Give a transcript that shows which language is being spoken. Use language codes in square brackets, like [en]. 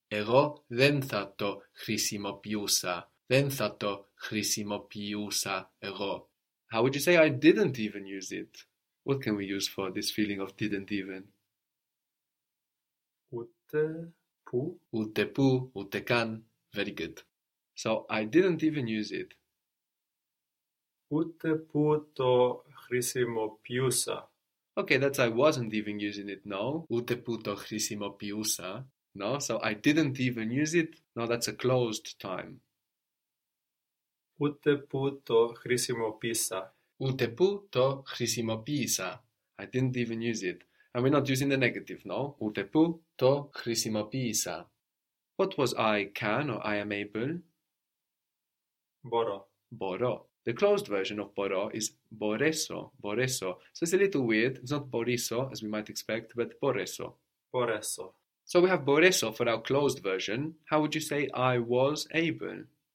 [el] Εγώ δεν θα το χρησιμοποιούσα. Δεν θα το χρησιμοποιούσα εγώ. [en] How would you say I didn't even use it? What can we use for this feeling of didn't even? [el] Ούτε που. Ούτε που, ούτε καν. [en] Very good. So, I didn't even use it. [el] Ούτε που το χρησιμοποιούσα. [en] Okay, that's I wasn't even using it, no. [el] Ούτε που το χρησιμοποιούσα. [en] No, so I didn't even use it. No, that's a closed time. [el] Ούτε που το χρησιμοποίησα. Ούτε που το χρησιμοποίησα. [en] I didn't even use it. And we're not using the negative, no? [el] Ούτε που το χρησιμοποίησα. [en] What was I can or I am able? [el] Μπορώ. [en] Μπορώ. The closed version of μπορώ is μπορέσω. Μπορέσω. So it's a little weird. It's not μπορίσω, as we might expect, but μπορέσω. [el] Μπορέσω. [en] So we have μπορέσω for our closed version. How would you say I was able?